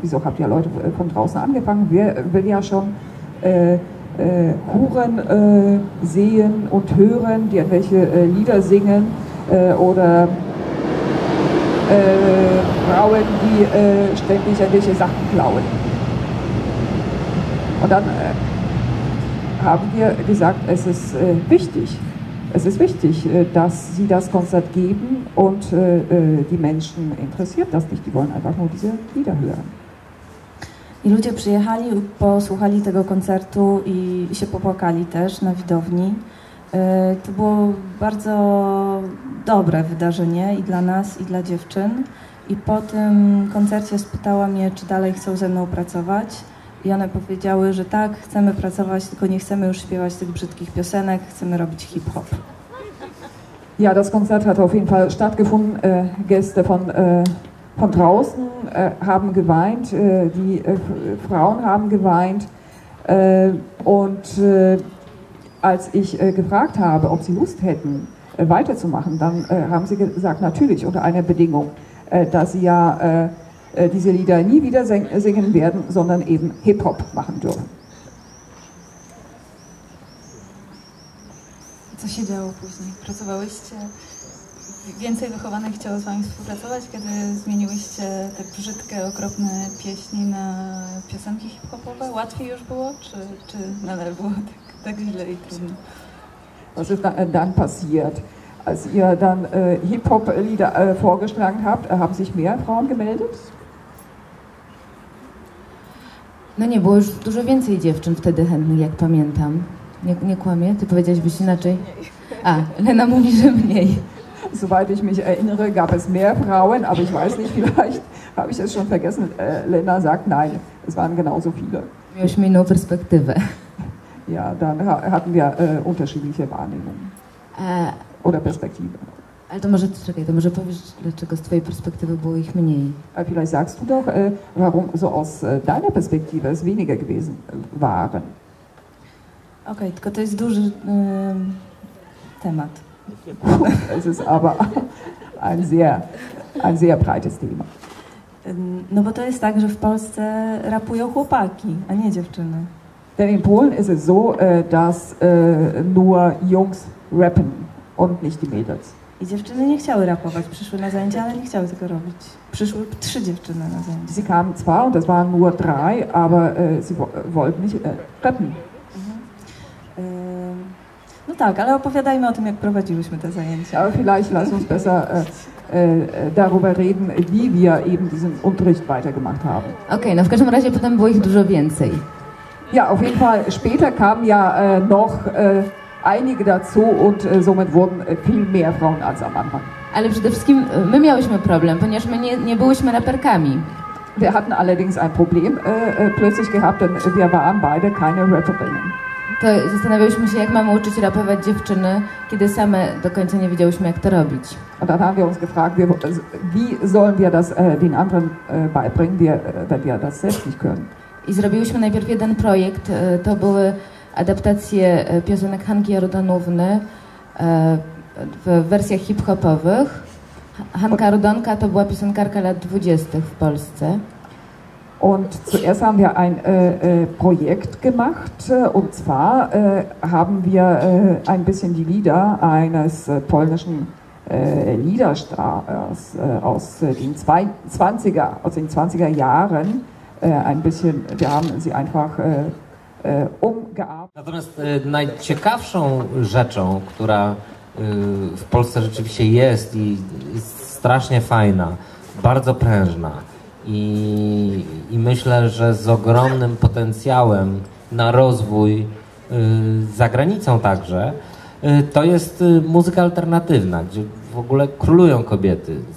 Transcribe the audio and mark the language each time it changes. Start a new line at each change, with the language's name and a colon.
German: Wieso habt ihr Leute von draußen angefangen? Wer will ja schon Huren sehen und hören, die irgendwelche Lieder singen oder Frauen, die ständig irgendwelche Sachen klauen. Und dann haben wir gesagt, es ist wichtig. Es ist wichtig, dass sie das Konzert geben und die Menschen interessiert das nicht. Die wollen einfach nur diese Lieder hören.
Polish: I ludzie przyjechali, posłuchali tego koncertu i się popłakali też na widowni. To było bardzo dobre wydarzenie i dla nas, i dla dziewczyn. I po tym koncercie spytała mnie, czy dalej chcą ze mną pracować. I one powiedziały, że tak, chcemy pracować, tylko nie chcemy już śpiewać tych brzydkich piosenek, chcemy robić hip-hop.
German: Ja, das Konzert hat auf jeden Fall stattgefunden. Gäste von draußen haben geweint, die Frauen haben geweint. Und als ich gefragt habe, ob sie Lust hätten, weiterzumachen, dann haben sie gesagt, natürlich, unter einer Bedingung, dass sie ja diese Lieder nie wieder singen werden, sondern eben Hip-Hop machen dürfen.
Polish: Co się działo później? Pracowałyście? Więcej wychowanych chciało z wami współpracować, kiedy zmieniłyście te brzydkie, okropne pieśni na piosenki hip-hopowe? Łatwiej już było, czy nadal było tak źle i trudno?
German: Was ist dann passiert? Als ihr dann Hip-Hop-Lieder vorgeschlagen habt, haben sich mehr Frauen gemeldet?
Polish: No nie, było już dużo więcej dziewczyn wtedy chętnych, jak pamiętam. Nie kłamie? Ty powiedziałabyś inaczej? A, Lena mówi, że mniej.
German: Soweit ich mich erinnere, gab es mehr Frauen, aber ich weiß nicht, vielleicht habe ich es schon vergessen. Lena sagt nein, es waren genauso viele.
Polish: Mieliśmy inną perspektywę.
German: Ja, dann hatten wir unterschiedliche Wahrnehmungen. Oder Perspektive.
Polish: Ale to może, czekaj, to może powiesz, dlaczego z twojej perspektywy było ich mniej.
German: A vielleicht sagst du doch, warum so aus deiner Perspektive es weniger gewesen waren.
Polish: Okej, tylko to jest duży temat.
German: Es ist aber ein sehr breites Thema.
Polish: No bo to jest tak, że w Polsce rapują chłopaki, a nie dziewczyny.
German: Denn in Polen ist es so, dass nur Jungs rappen und nicht die Mädels.
Polish: I dziewczyny nie chciały rapować, przyszły na zajęcia, ale nie chciały tego robić. Przyszły trzy dziewczyny na zajęcia.
German: Sie kamen zwar und es waren nur drei, aber sie wollten nicht rappen.
Polish: No tak, ale opowiadajmy o tym, jak prowadziłyśmy te zajęcia.
German: Aber vielleicht lass uns besser darüber reden, wie wir eben diesen Unterricht weitergemacht haben.
Polish: Okay, no w każdym razie potem było ich dużo więcej.
German: Ja, auf jeden Fall später kamen ja noch einige dazu und somit wurden viel mehr Frauen als am Anfang.
Polish: Ale przede wszystkim my miałyśmy problem, ponieważ my nie byłyśmy raperkami.
German: Wir hatten allerdings ein Problem plötzlich gehabt, denn wir waren beide keine Rapperinnen.
Polish: To zastanawialiśmy się, jak mamy uczyć rapować dziewczyny, kiedy same do końca nie wiedziałyśmy, jak to robić.
German: Und dann haben wir uns gefragt, wie sollen wir das den anderen beibringen, wenn wir das selbst nicht können.
Polish: I zrobiłyśmy najpierw jeden projekt, to były adaptacje piosenek Hanki Jordanówny w wersjach hip-hopowych. Hanka Jordanka to była piosenkarka lat 20. w Polsce.
German: Und zuerst haben wir ein Projekt gemacht und zwar haben wir ein bisschen die Lieder eines polnischen Liederstars aus den 20er Jahren ein bisschen, wir haben sie einfach umgearbeitet.
Polish: Natomiast najciekawszą rzeczą, która w Polsce rzeczywiście jest i jest strasznie fajna, bardzo prężna, I myślę, że z ogromnym potencjałem na rozwój za granicą także, to jest muzyka alternatywna, gdzie w ogóle królują kobiety.